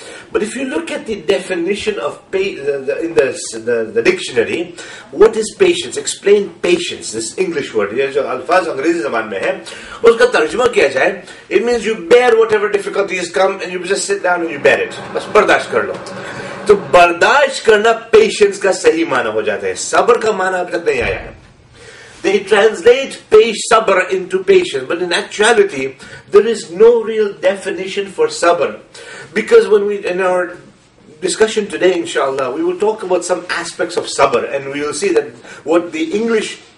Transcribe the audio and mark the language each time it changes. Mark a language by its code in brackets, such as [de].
[en] But if you look at the definition of in the dictionary, what is patience? Explain patience, this English word. It means you bear whatever difficulties come and you just sit down and you bear it. [ur] Bas bardasht kar lo. تو برداشت کرنا patience کا صحیح معنی ہو جاتا ہے, صبر کا معنی اب تک نہیں آیا ہے. [en] They translate صبر into patience, but in actuality there is no real definition for صبر, because when we in our discussion today inshallah we will talk about some aspects of صبر and we will see that what the English